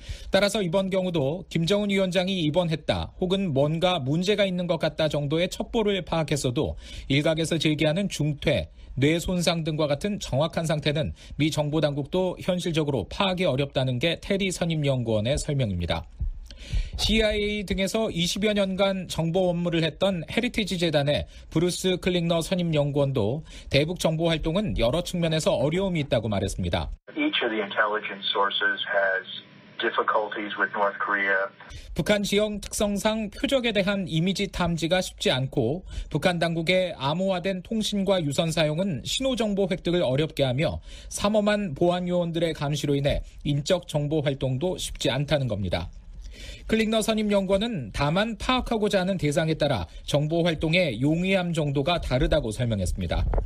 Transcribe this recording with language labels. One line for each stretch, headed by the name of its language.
Korean: 따라서 이번 경우도 김정은 위원장이 입원했다 혹은 뭔가 문제가 있는 것 같다 정도의 첩보를 파악했어도 일각에서 제기하는 중퇴, 뇌손상 등과 같은 정확한 상태는 미 정보당국도 현실적으로 파악이 어렵다는 게 테리 선임연구원의 설명입니다. CIA 등에서 20여 년간 정보 업무를 했던 헤리티지 재단의 브루스 클링너 선임 연구원도 대북 정보 활동은 여러 측면에서 어려움이 있다고 말했습니다.
English: Each of the intelligence sources has difficulties with North Korea.
Korean: 북한 지형 특성상 표적에 대한 이미지 탐지가 쉽지 않고 북한 당국의 암호화된 통신과 유선 사용은 신호 정보 획득을 어렵게 하며 삼엄한 보안 요원들의 감시로 인해 인적 정보 활동도 쉽지 않다는 겁니다. 클릭너 선임 연구원은 다만 파악하고자 하는 대상에 따라 정보 활동의 용이함 정도가 다르다고 설명했습니다.